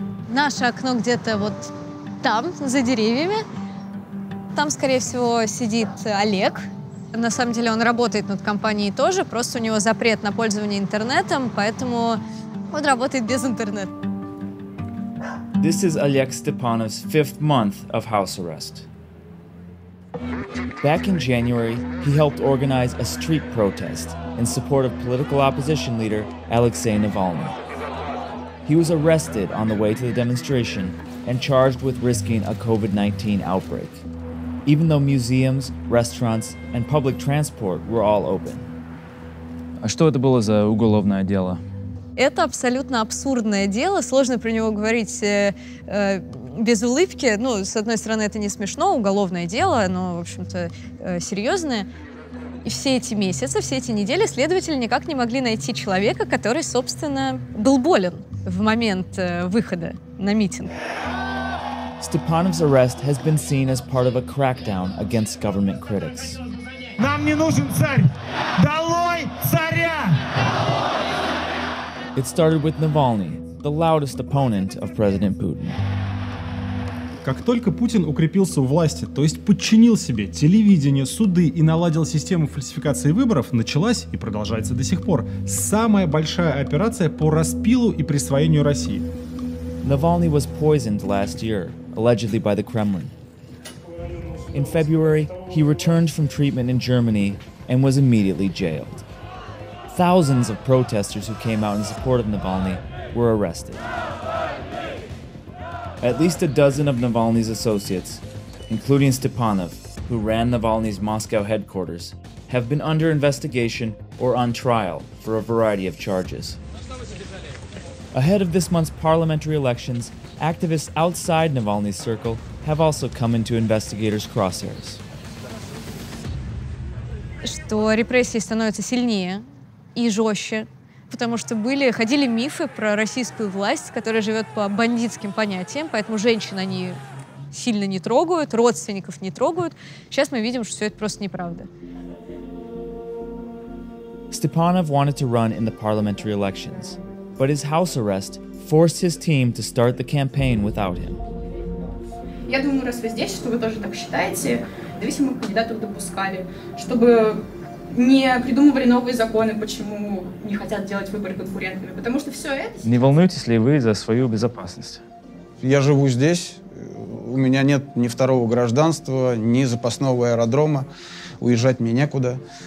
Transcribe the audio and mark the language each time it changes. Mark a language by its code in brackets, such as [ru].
[ru] наше окно где-то вот там, за деревьями. Там, скорее всего, сидит Олег. На самом деле он работает над компанией тоже, просто у него запрет на пользование интернетом, поэтому он работает без интернета. [en] This is Oleg Stepanov's fifth month of house arrest. Back in January, he helped organize a street protest in support of political opposition leader Alexei Navalny. He was arrested on the way to the demonstration and charged with risking a COVID-19 outbreak, even though museums, restaurants, and public transport were all open. [ru] А что это было за уголовное дело? Это абсолютно абсурдное дело, сложно про него говорить без улыбки. Ну, с одной стороны, это не смешно, уголовное дело, оно, в общем-то, серьезное. И все эти месяцы, все эти недели следователи никак не могли найти человека, который, собственно, был болен в момент выхода на митинг. [en] Степанов's arrest has been seen as part of a crackdown against government critics. [ru] Нам не нужен царь! Долой царя! [en] It started with Navalny, the loudest opponent of President Putin. [ru] Как только Путин укрепился у власти, то есть подчинил себе телевидение, суды и наладил систему фальсификации выборов, началась и продолжается до сих пор самая большая операция по распилу и присвоению России. [en] Navalny was poisoned last year, allegedly by the Kremlin. In February, he returned from treatment in Germany and was immediately jailed. Thousands of protesters who came out in support of Navalny were arrested. At least a dozen of Navalny's associates, including Stepanov, who ran Navalny's Moscow headquarters, have been under investigation or on trial for a variety of charges. Ahead of this month's parliamentary elections, activists outside Navalny's circle have also come into investigators' crosshairs. [ru] Что репрессии становятся сильнее и жестче, потому что ходили мифы про российскую власть, которая живет по бандитским понятиям, поэтому женщин они сильно не трогают, родственников не трогают. Сейчас мы видим, что все это просто неправда. [en] Stepanov wanted to run in the parliamentary elections, but his house arrest forced his team to start the campaign without him. [ru] Я думаю, раз вы здесь, что вы тоже так считаете, независимых кандидатов допускали, чтобы не придумывали новые законы, почему не хотят делать выборы конкурентными, потому что все это... Не волнуетесь ли вы за свою безопасность? Я живу здесь, у меня нет ни второго гражданства, ни запасного аэродрома, уезжать мне некуда.